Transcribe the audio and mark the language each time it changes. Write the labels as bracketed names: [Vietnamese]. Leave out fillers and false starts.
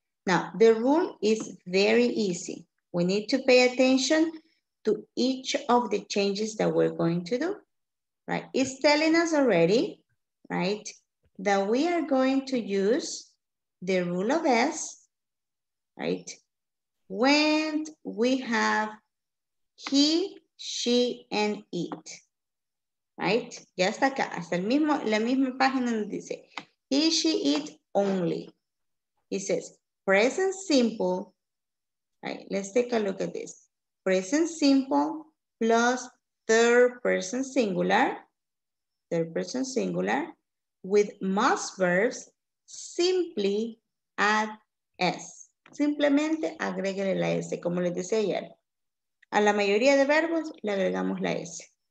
[English] Now, the rule is very easy. We need to pay attention to each of the changes that we're going to do, right? It's telling us already, right, that we are going to use the rule of S, right, when we have he, she, and it. Right? [Spanish] Ya está acá, hasta el mismo, la misma página donde dice he, she, it only. [English] It says present simple. Right? Let's take a look at this. Present simple plus third person singular. Third person singular with must verbs simply add S. [Spanish] Simplemente agréguele la S, como les decía ayer. A la mayoría de verbos le agregamos la S.